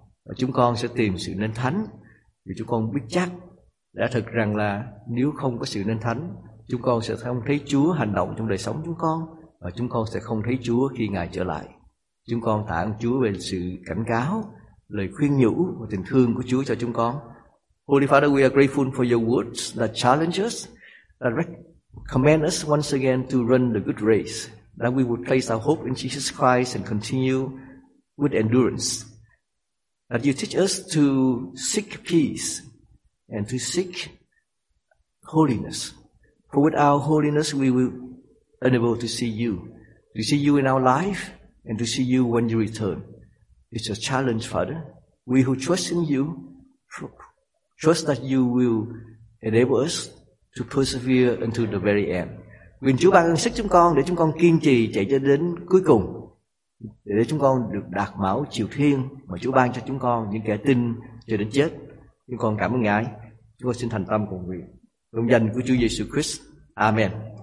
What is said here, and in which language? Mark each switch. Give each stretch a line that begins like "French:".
Vietnamese: Và chúng con sẽ tìm sự nên thánh, vì chúng con biết chắc đã thật rằng là nếu không có sự nên thánh, chúng con sẽ không thấy Chúa hành động trong đời sống chúng con, và chúng con sẽ không thấy Chúa khi Ngài trở lại. Chúng con tạ ơn Chúa về sự cảnh cáo, lời khuyên nhủ và tình thương của Chúa cho chúng con.
English: Holy Father, we are grateful for your words that challenge us, that recommend us once again to run the good race, that we would place our hope in Jesus Christ and continue with endurance. That you teach us to seek peace and to seek holiness. For without holiness, we will be unable to see you, to see you in our life, and to see you when you return. It's a challenge, Father. We who trust in you, trust that you will enable us to persevere until the very end.
Vietnamese: Nguyện Chúa ban ơn sức chúng con để chúng con kiên trì chạy cho đến cuối cùng, để chúng con được đạt mão triều thiên mà Chúa ban cho chúng con, những kẻ tin cho đến chết. Chúng con cảm ơn Ngài. Chúng con xin thành tâm cầu nguyện trong danh của Chúa Giêsu Christ. Amen.